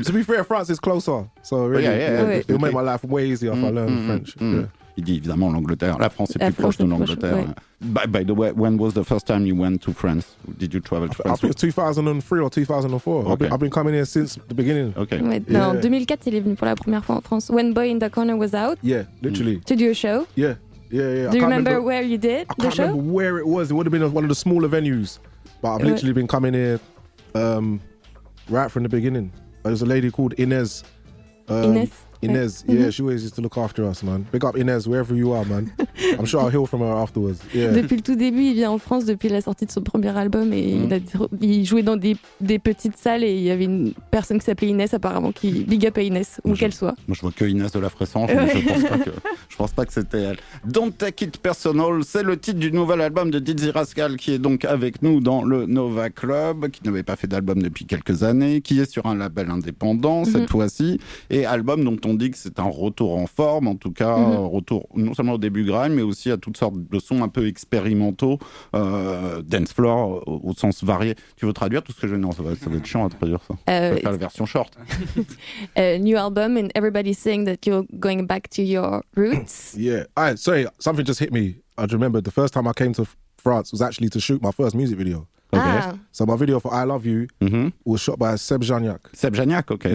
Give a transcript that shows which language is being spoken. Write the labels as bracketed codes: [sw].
[en] To be fair, France is closer. So really, yeah. It'll make my life way easier if I learn French. Mm. Yeah. [fr] Il dit évidemment l'Angleterre. La France est plus proche de l'Angleterre. Ouais. [en] By the way, when was the first time you went to France? Did you travel to France? I think it was 2003 or 2004. Okay. I've been coming here since the beginning. Okay. [fr] Mais, [en] yeah. [fr] Non, 2004, il est venu pour la première fois en France. [en] When Boy in the Corner was out. Yeah, literally. To do a show. Yeah, yeah, yeah. Do you remember where you did the show? I can't remember where it was. It would have been one of the smaller venues. But I've literally been coming here right from the beginning. There's a lady called Inez. Inez, yeah, she always used to look after us, man. Big up Inez, wherever you are, man. I'm sure I'll hear from her afterwards. Yeah. [fr] Depuis le tout début, il vient en France depuis la sortie de son premier album et il jouait dans des petites salles et il y avait une personne qui s'appelait Inez apparemment qui [en] big up [fr] à Inez, où qu'elle soit. Moi, je vois que Inez de la Fressange, mais je pense pas que c'était elle. Don't Take It Personal, c'est le titre du nouvel album de Didzy Rascal qui est donc avec nous dans le Nova Club, qui n'avait pas fait d'album depuis quelques années, qui est sur un label indépendant cette fois-ci, et album dont on dit que c'est un retour en forme, en tout cas, retour non seulement au début grime, mais aussi à toutes sortes de sons un peu expérimentaux, dance floor au sens varié. Tu veux traduire tout ce que je... Non, ça va être chiant à traduire ça. Je vais faire la version short. [en] New album, and everybody's saying that you're going back to your roots. Yeah, sorry, something just hit me. I remember the first time I came to France was actually to shoot my first music video. Okay. Ah. So my video for I Love You was shot by Seb Janiak. Seb Janiak, okay.